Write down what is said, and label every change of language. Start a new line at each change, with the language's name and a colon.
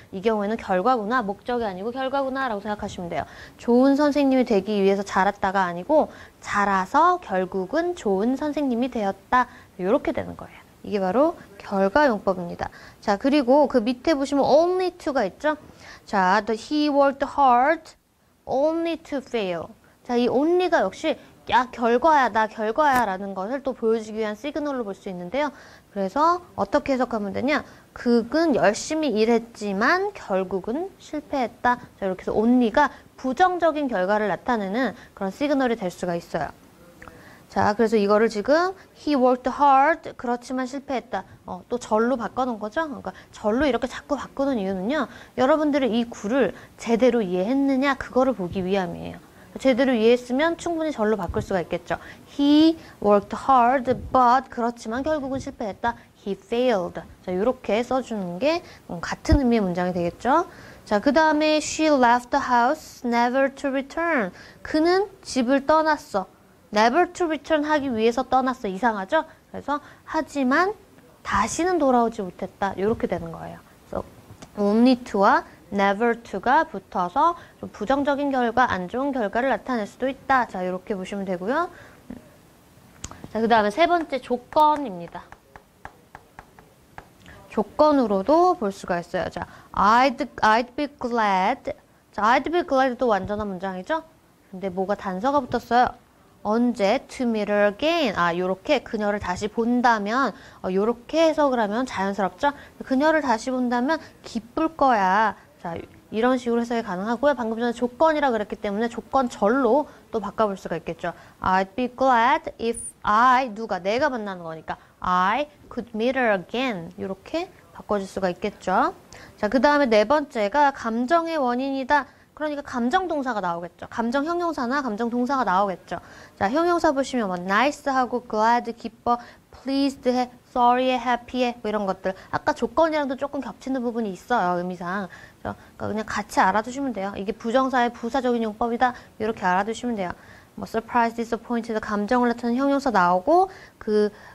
Korean: 이 경우에는 결과구나. 목적이 아니고 결과구나라고 생각하시면 돼요. 좋은 선생님이 되기 위해서 자랐다가 아니고 자라서 결국은 좋은 선생님이 되었다. 이렇게 되는 거예요. 이게 바로 결과용법입니다. 자, 그리고 그 밑에 보시면 only to가 있죠?
English: 자, he worked hard only to fail.
Korean: 자, 이 only가 역시 야, 결과야, 나 결과야 라는 것을 또 보여주기 위한 시그널로 볼수 있는데요. 그래서 어떻게 해석하면 되냐? 극은 열심히 일했지만 결국은 실패했다. 자, 이렇게 해서 only가 부정적인 결과를 나타내는 그런 시그널이 될 수가 있어요. 자, 그래서 이거를 지금
English: he worked hard,
Korean: 그렇지만 실패했다. 또 절로 바꿔놓은 거죠? 그러니까 절로 이렇게 자꾸 바꾸는 이유는요. 여러분들은 이 구를 제대로 이해했느냐, 그거를 보기 위함이에요. 제대로 이해했으면 충분히 절로 바꿀 수가 있겠죠.
English: He worked hard, but
Korean: 그렇지만 결국은 실패했다.
English: He failed.
Korean: 자, 이렇게 써주는 게 같은 의미의 문장이 되겠죠.
English: 자, 그 다음에 she left the house, never to return.
Korean: 그는 집을 떠났어.
English: Never to return
Korean: 하기 위해서 떠났어. 이상하죠? 그래서 하지만 다시는 돌아오지 못했다. 이렇게 되는 거예요. 그래서 only to와 Never to가 붙어서 좀 부정적인 결과, 안 좋은 결과를 나타낼 수도 있다. 자, 이렇게 보시면 되고요. 자, 그 다음에 세 번째 조건입니다. 조건으로도 볼 수가 있어요.
English: 자, I'd be glad.
Korean: 자,
English: I'd be glad
Korean: 도 완전한 문장이죠? 근데 뭐가 단서가 붙었어요? 언제
English: to meet her again?
Korean: 아, 요렇게 그녀를 다시 본다면, 요렇게 해석을 하면 자연스럽죠? 그녀를 다시 본다면 기쁠 거야. 자, 이런 식으로 해석이 가능하고요. 방금 전에 조건이라 그랬기 때문에 조건 절로 또 바꿔볼 수가 있겠죠.
English: I'd be glad if I,
Korean: 누가, 내가 만나는 거니까.
English: I could meet her again.
Korean: 이렇게 바꿔줄 수가 있겠죠. 자, 그 다음에 네 번째가 감정의 원인이다. 그러니까 감정 동사가 나오겠죠. 감정 형용사나 감정 동사가 나오겠죠. 자, 형용사 보시면 뭐, nice 하고, glad, 기뻐, pleased 해. Sorry에 happy에 뭐 이런 것들 아까 조건이랑도 조금 겹치는 부분이 있어요 의미상 그냥 같이 알아두시면 돼요 이게 부정사의 부사적인 용법이다 이렇게 알아두시면 돼요 뭐 surprise, disappointed 감정을 나타내는 형용사 나오고 그